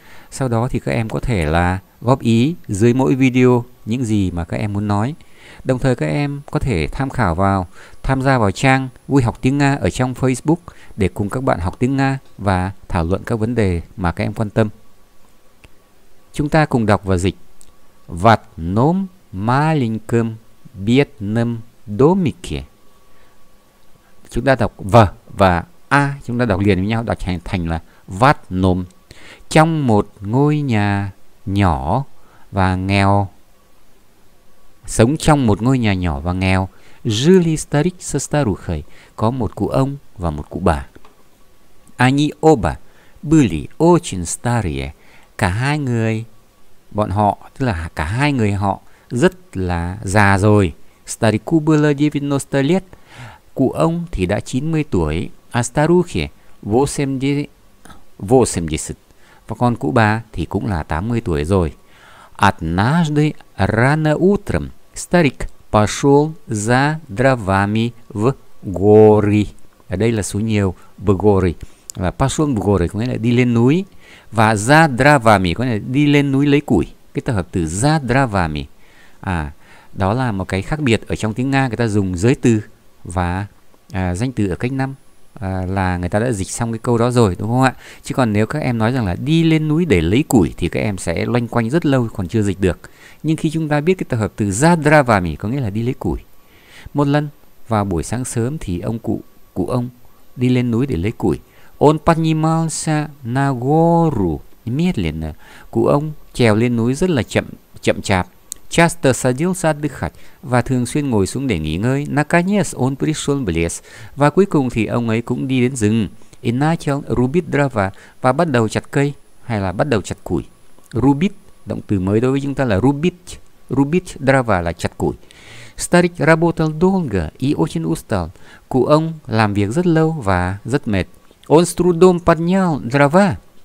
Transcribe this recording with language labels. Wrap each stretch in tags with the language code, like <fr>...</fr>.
<vi>Sau đó thì các em có thể là góp ý dưới mỗi video những gì mà các em muốn nói. Đồng thời các em có thể tham gia vào trang Vui học tiếng Nga ở trong Facebook để cùng các bạn học tiếng Nga và thảo luận các vấn đề mà các em quan tâm. Chúng ta cùng đọc và dịch.</vi> <ru>Vật nôm маленьком бедном домике.</ru> <vi>Chúng ta đọc V và A, chúng ta đọc liền với nhau, đọc thành là vật nôm. Trong một ngôi nhà nhỏ và nghèo. Sống trong một ngôi nhà nhỏ và nghèo.</vi> <ru>Жили старик со старухой.</ru> <vi>Có một cụ ông và một cụ bà.</vi> <ru>Они оба были очень старые.</ru> <vi>Cả hai người, bọn họ, tức là cả hai người họ rất là già rồi.</vi> <ru>Старику было 90 лет.</ru> <vi>Cụ ông thì đã 90 tuổi.</vi> <ru>А старухи 80.</ru> <vi>Và còn cụ bà thì cũng là 80 tuổi rồi.</vi> <ru>Однажды рано утром старик пошел за дровами в горы.</ru> <vi>Ở đây là số nhiều,</vi> <ru>в горы.</ru> <vi>Và</vi> <ru>пошел в горы</ru> <vi>có nghĩa là đi lên núi. Và</vi> <ru>за дровами</ru> <vi>có nghĩa là đi lên núi lấy củi. Cái tập hợp từ за дровами. À, đó là một cái khác biệt ở trong tiếng Nga, người ta dùng giới từ và danh từ ở cách năm. À, là người ta đã dịch xong cái câu đó rồi, đúng không ạ? Chứ còn nếu các em nói rằng là đi lên núi để lấy củi thì các em sẽ loanh quanh rất lâu còn chưa dịch được. Nhưng khi chúng ta biết cái tập hợp từ ra dra và mỉ có nghĩa là đi lấy củi. Một lần vào buổi sáng sớm thì cụ ông đi lên núi để lấy củi.</vi> <ru>Он поднимался на гору медленно.</ru> <vi>Cụ ông trèo lên núi rất là chậm chạp.</vi> <ru>Часто садился отдыхать.</ru> <vi>Và thường xuyên ngồi xuống để nghỉ ngơi.</vi> <ru>Наконец он пришел в лес.</ru> <vi>Và cuối cùng thì ông ấy cũng đi đến rừng.</vi> <ru>И начал рубить дрова.</ru> <vi>Và bắt đầu chặt cây. Hay là bắt đầu chặt củi. Рубить, động từ mới đối với chúng ta là рубить.</vi> <ru>Рубить дрова</ru> <vi>là chặt củi.</vi> <ru>Старик работал долго и очень устал.</ru> <vi>Cụ ông làm việc rất lâu và rất mệt.</vi> <ru>Он с трудом поднял дрова.</ru>